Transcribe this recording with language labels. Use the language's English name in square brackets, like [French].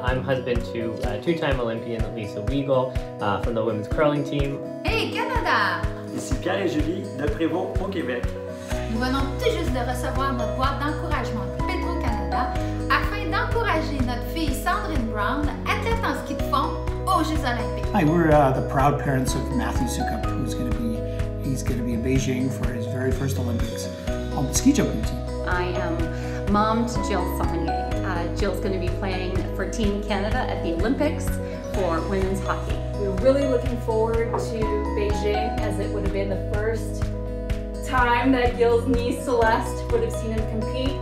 [English] I'm husband to a two-time Olympian Lisa Weigel from the women's curling team. Hey, Canada! [French] Ici Pierre et Julie de Prévost au Québec. Nous venons tout juste de recevoir notre boîte d'encouragement de Petro-Canada afin d'encourager notre fille Sandrine Brown, athlète en ski de fond aux Jeux olympiques. [English] Hi, we're the proud parents of Matthew Sukup, who's going to be in Beijing for his very first Olympics on the ski jumping team. I am mom to Jill Sonnier. Jill's going to be playing for Team Canada at the Olympics for women's hockey. We're really looking forward to Beijing, as it would have been the first time that Jill's niece Celeste would have seen him compete.